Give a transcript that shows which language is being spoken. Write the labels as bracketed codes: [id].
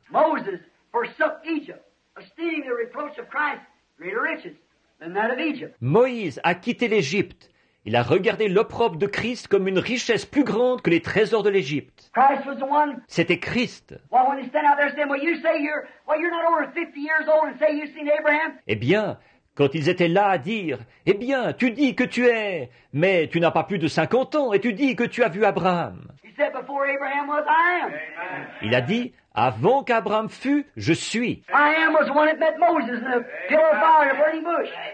[en] Moses forsook Egypt, esteeming the reproach of Christ greater riches than that of Egypt. [fr] Moïse a quitté l'Égypte. Il a regardé l'opprobre de Christ comme une richesse plus grande que les trésors de l'Égypte. [en] Christ was the one. [fr] C'était Christ. [en] Well, when you stand out there saying, "Well, you say you're not over 50 years old and say you've seen Abraham." [fr] Eh bien, quand ils étaient là à dire, eh bien, tu dis que tu es, mais tu n'as pas plus de 50 ans et tu dis que tu as vu Abraham. [en] He said, "Before Abraham was, I am." [fr] Il a dit, avant qu'Abraham fût, je suis. [en] I am was the one that met Moses in the pillar of fire, burning bush.